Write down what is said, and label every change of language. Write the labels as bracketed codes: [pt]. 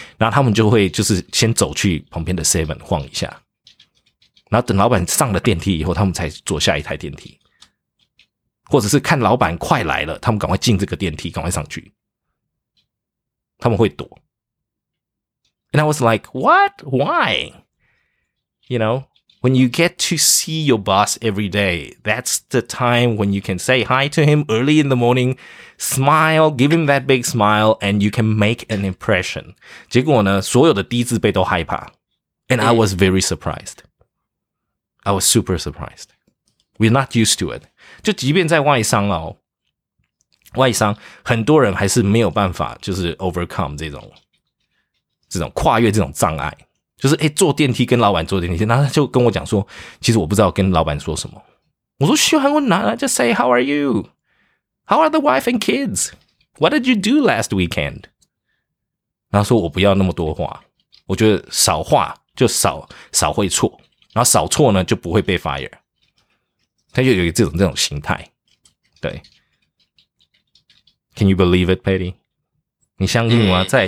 [zh] 然后他们就会就是先走去旁边的 Seven 晃一下，然后等老板上了电梯以后，他们才坐下一台电梯，或者是看老板快来了，他们赶快进这个电梯，赶快上去，他们会躲。 [en] And I was like, what? Why? You know, when you get to see your boss every day, that's the time when you can say hi to him early in the morning, smile, give him that big smile, and you can make an impression. [zh] 结果呢，所有的低自备都害怕。 [en] And I was very surprised. I was super surprised. We're not used to it. [zh] 就即便在外商哦，外商很多人还是没有办法就是 overcome 这种跨越这种障碍，就是坐电梯跟老板坐电梯，然后他就跟我讲说，其实我不知道跟老板说什么。我说嘘寒问暖 [en] ，just say how are you, how are the wife and kids, what did you do last weekend？ [zh] 然后说我不要那么多话，我觉得少话就少会错，然后少错呢就不会被 fire。他就有这种心态，对。 [en] Can you believe it, Patty？ [zh] 你相信吗？